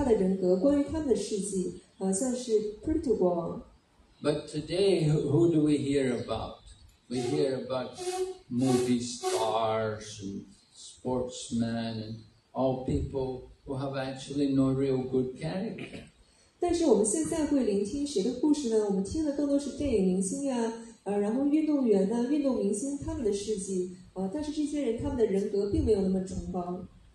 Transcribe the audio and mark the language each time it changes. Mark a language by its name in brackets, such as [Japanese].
[Chinese] 所以人们要去聆听那些伟大的人格关于他们的事迹, 像是 Prithu 国王。 [English] But today, who do we hear about? We hear about movie stars and sportsmen and all people who have actually no real good character. [Chinese] 但是我们现在会聆听谁的故事呢？我们听的更多是电影明星啊，然后运动员呢，运动明星他们的事迹。但是这些人他们的人格并没有那么崇高。